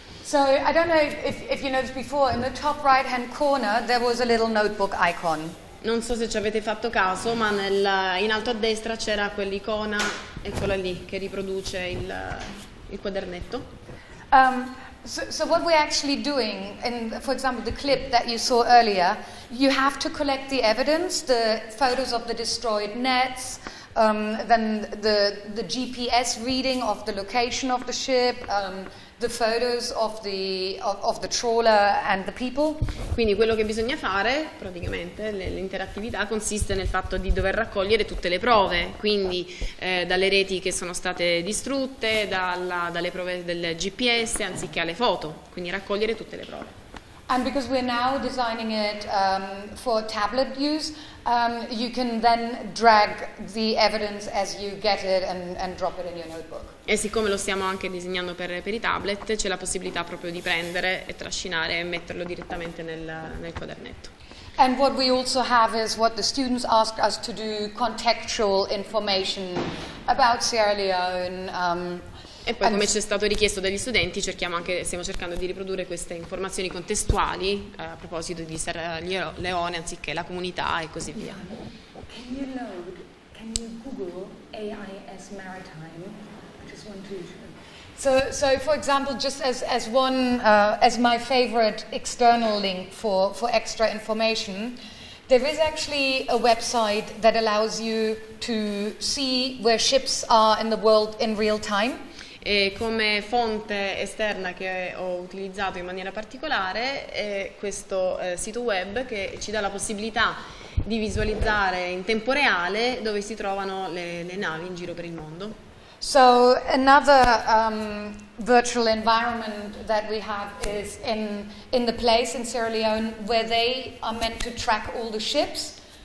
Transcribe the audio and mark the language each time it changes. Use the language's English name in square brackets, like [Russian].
[English] So I don't know if you noticed before, in the top right hand corner there was a little notebook icon. [Italian] Non so se ci avete fatto caso, ma in alto a destra c'era quell'icona, eccola lì, che riproduce il quadernetto. [English] So what we're actually doing, in, for example, the clip that you saw earlier, you have to collect the evidence, the photos of the destroyed nets, then the GPS reading of the location of the ship, the photos of the trawler and the people. [Italian] Quindi quello che bisogna fare, praticamente, l'interattività consiste nel fatto di dover raccogliere tutte le prove, quindi dalle reti che sono state distrutte, dalle prove del GPS, anziché alle foto, quindi raccogliere tutte le prove. [English] And because we're now designing it for tablet use, you can then drag the evidence as you get it and drop it in your notebook. [Italian] E siccome lo stiamo anche disegnando per i tablet, c'è la possibilità proprio di prendere e trascinare e metterlo direttamente nel quadernetto. [English] And what we also have is what the students ask us to do, contextual information about Sierra Leone. [Italian] E poi, come ci è stato richiesto dagli studenti, stiamo cercando di riprodurre queste informazioni contestuali a proposito di Sierra Leone anziché la comunità e così via. [English] Can you Google AIS Maritime just want to. So for example, just as one as my favorite external link for extra information, there is actually a website that allows you to see where ships are in the world in real time. [Italian] E come fonte esterna che ho utilizzato in maniera particolare è questo sito web che ci dà la possibilità di visualizzare in tempo reale dove si trovano le navi in giro per il mondo. [English] So another virtual environment that we have is in the place in Sierra Leone where they are meant to track all the ships.